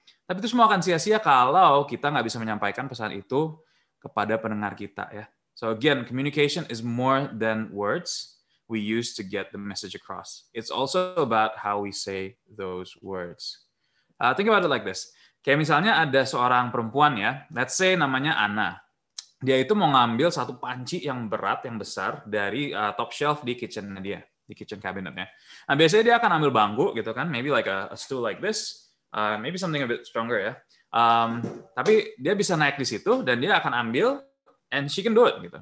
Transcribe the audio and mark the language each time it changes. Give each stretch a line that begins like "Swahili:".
Indonesian: Tapi itu semua akan sia-sia kalau kita nggak bisa menyampaikan pesan itu kepada pendengar kita ya.
English: So again, communication is more than words we use to get the message across. It's also about how we say those words. Think about it like this.
Indonesian: Kayak misalnya ada seorang perempuan ya,
English: let's say
Indonesian: namanya Anna. Dia itu mau ngambil satu panci yang berat, yang besar dari top shelf di kitchen-nya dia, di kitchen cabinet-nya. Nah biasanya dia akan ambil bangku gitu kan,
English: maybe like a stool like this. Maybe something a bit stronger
Indonesian: ya. Tapi dia bisa naik di situ dan dia akan ambil
English: and she can do it
Indonesian: gitu.